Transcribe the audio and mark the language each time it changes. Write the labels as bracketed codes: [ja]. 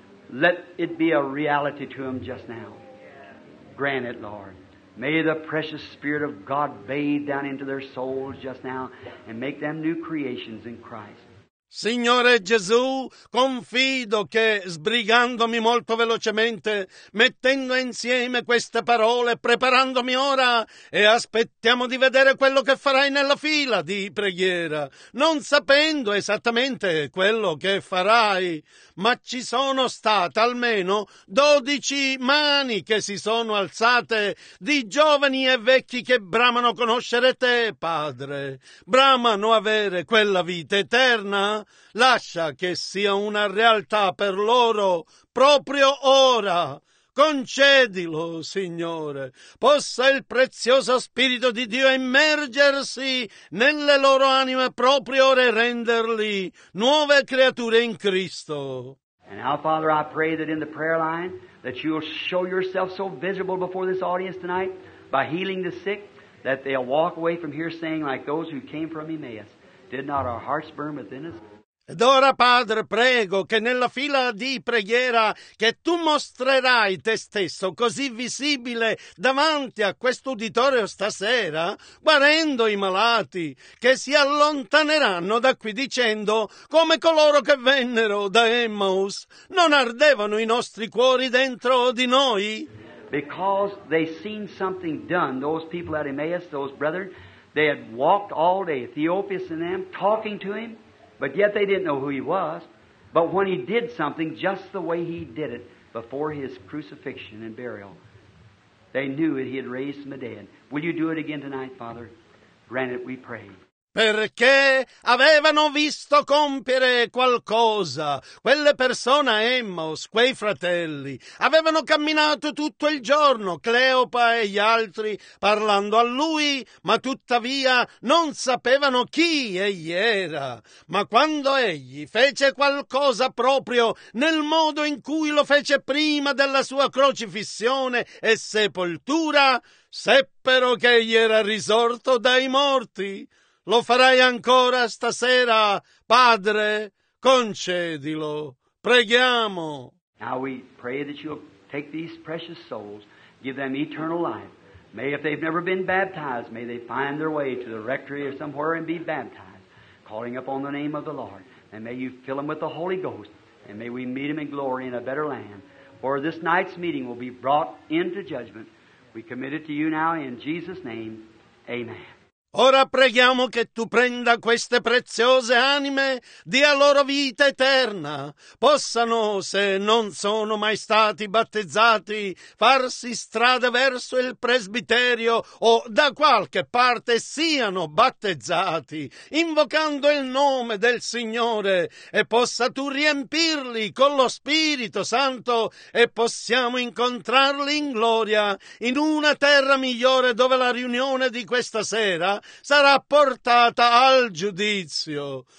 [en] Let it be a reality to them just now. Grant it, Lord. May the precious Spirit of God bathe down into their souls just now and make them new creations in Christ. [it] Signore Gesù, confido che, sbrigandomi molto velocemente, mettendo insieme queste parole, preparandomi ora, e aspettiamo di vedere quello che farai nella fila di preghiera, non sapendo esattamente quello che farai, ma ci sono state almeno 12 mani che si sono alzate di giovani e vecchi che bramano conoscere te, Padre, bramano avere quella vita eterna. Lascia che sia una realtà per loro proprio ora. Concedilo, Signore. Possa il prezioso Spirito di Dio immergersi nelle loro anime proprio ora e renderli nuove creature in Cristo. [en] And now, Father, I pray that in the prayer line that you will show yourself so visible before this audience tonight by healing the sick that they'll walk away from here saying like those who came from Emmaus, did not our hearts burn within us? [it] Ed ora, Padre, prego che nella fila di preghiera che tu mostrerai te stesso così visibile davanti a quest'uditorio stasera, guarendo i malati, che si allontaneranno da qui dicendo come coloro che vennero da Emmaus, non ardevano i nostri cuori dentro di noi? [en] Because they seen something done, those people at Emmaus, those brethren, they had walked all day, Theophilus and them, talking to him. But yet they didn't know who he was. But when he did something just the way he did it before his crucifixion and burial, they knew that he had raised from the dead. Will you do it again tonight, Father? Grant it, we pray. [it] Perché avevano visto compiere qualcosa quelle persone Emmaus, quei fratelli. Avevano camminato tutto il giorno, Cleopa e gli altri, parlando a lui, ma tuttavia non sapevano chi egli era. Ma quando egli fece qualcosa proprio nel modo in cui lo fece prima della sua crocifissione e sepoltura, seppero che egli era risorto dai morti. Lo farai ancora stasera, Padre, concedilo. Preghiamo. [en] Now we pray that you'll take these precious souls, give them eternal life. May, if they've never been baptized, may they find their way to the rectory or somewhere and be baptized, calling upon the name of the Lord. And may you fill them with the Holy Ghost, and may we meet them in glory in a better land. For this night's meeting will be brought into judgment. We commit it to you now in Jesus' name. Amen. [it] Ora preghiamo che tu prenda queste preziose anime, dia loro vita eterna. Possano, se non sono mai stati battezzati, farsi strada verso il presbiterio o da qualche parte siano battezzati, invocando il nome del Signore, e possa tu riempirli con lo Spirito Santo e possiamo incontrarli in gloria in una terra migliore dove la riunione di questa sera sarà portata al giudizio.